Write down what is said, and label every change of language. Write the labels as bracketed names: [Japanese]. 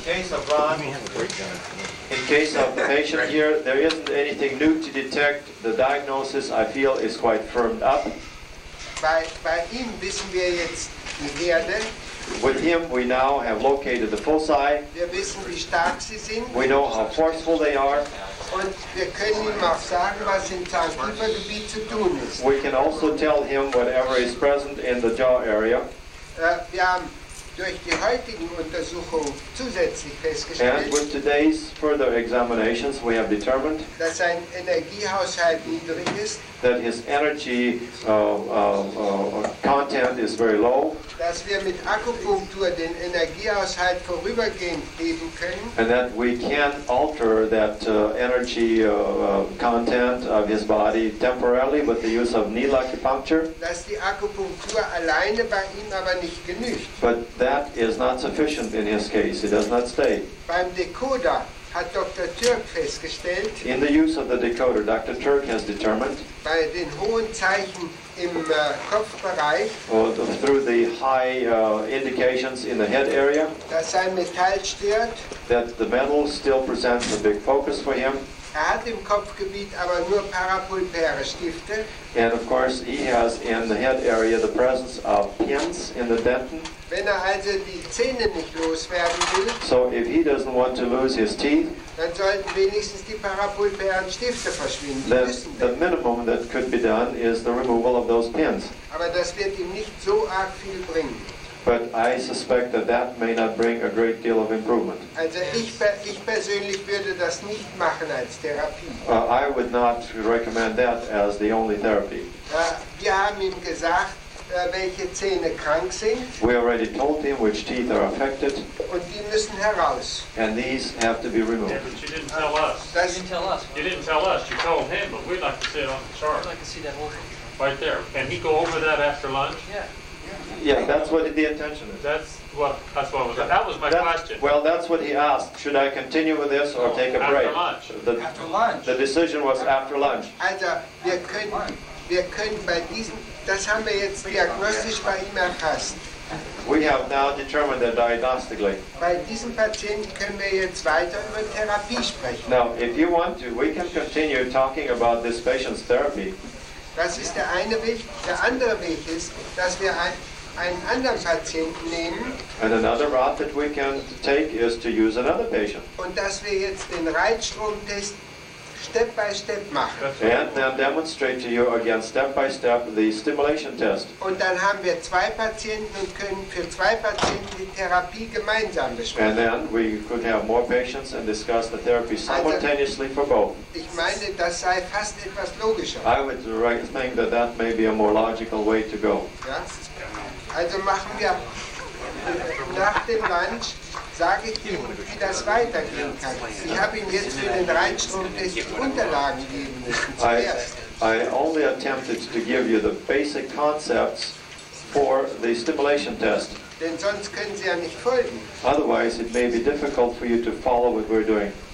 [English] In case of the patient here, there isn't anything new to detect. The diagnosis, I feel, is quite firmed up. [German] Bei ihm wissen wir jetzt die Herde. [English] With him, we now have located the foci. [German] Wir wissen, wie stark sie sind. [English] We know how forceful they are. [German] Und wir können ihm auch sagen, was in seinem Kiefergebiet zu tun ist. [English] We can also tell him whatever is present in the jaw area. [German] Wir haben durch die heutigen Untersuchungen zusätzlich festgestellt, [English] and with today's further examinations, we have determined, [German] dass sein Energiehaushalt niedrig ist. [English] That his energy content is very low. [German] Dass wir mit Akupunktur den Energiehaushalt vorübergehend heben können. [English] And that we can alter that energy content of his body temporarily with the use of needle acupuncture. [German] Dass die Akupunktur alleine bei ihm aber nicht genügt. [English] But that is not sufficient in his case. It does not stay. [German] Beim Decoder hat Dr. Turk festgestellt. [English] In the use of the decoder, Dr. Turk has determined. [German] Bei den hohen Zeichen im Kopfbereich. [English] Through the high indications in the head area. [German] Dass sein Metall stört. [English] That the metal still presents a big focus for him. [German] Er hat im Kopfgebiet aber nur parapulpäre Stifte. [English] And of course he has in the head area the presence of pins in the dentin. [German] Wenn er also die Zähne nicht loswerden will, [English] so if he doesn't want to lose his teeth, [German] dann sollten wenigstens die parapulpären Stifte verschwinden. [English] Then the minimum that could be done is the removal of those pins. [German] Aber das wird ihm nicht so arg viel bringen. [English] But I suspect that that may not bring a great deal of improvement. [German] Also ich persönlich würde das nicht machen als Therapie. [English] I would not recommend that as the only therapy. [German] Wir haben ihm gesagt, welche Zähne krank sind. [English] We already told him which teeth are affected. [German] Und die müssen heraus. [English] And these have to be removed. Yeah, but you didn't tell us. You didn't tell us. You didn't tell us. You told him, but we'd like to see it on the chart. I'd like to see that whole thing. Right there. Can he go over that after lunch? Yeah, that's what the intention is. That was my question. Well, that's what he asked. Should I continue with this or take a after break? After lunch. The decision was after lunch. [German] Also, wir können bei diesem, das haben wir jetzt diagnostisch bei ihm erfasst. [English] We have now determined that diagnostically. [German] Bei diesem Patienten können wir jetzt weiter über Therapie sprechen. [English] Now, if you want to, we can continue talking about this patient's therapy. [German] Das ist der eine Weg. Der andere Weg ist, dass wir einen anderen Patienten nehmen. [English] And another route that we can take is to use another patient. [German] Und dass wir jetzt den Reizstromtest [English] step by step [German] machen. [English] And then demonstrate to you again step by step the stimulation test. [German] Und dann haben wir zwei Patienten und können für zwei Patienten die Therapie gemeinsam besprechen. [English] And then we could have more patients and discuss the therapy simultaneously for both. [German] Ich meine, das sei fast etwas logischer. [English] I would think that that may be a more logical way to go. [German] Also machen wir nach dem Lunch. Sage ich Ihnen, wie das weitergehen kann. Ich habe Ihnen jetzt für den Reinstromtest Unterlagen geben müssen. [English] I only attempted to give you the basic concepts for the stimulation test. [German] Denn sonst können Sie ja nicht folgen. [English] Otherwise, it may be difficult for you to follow what we're doing.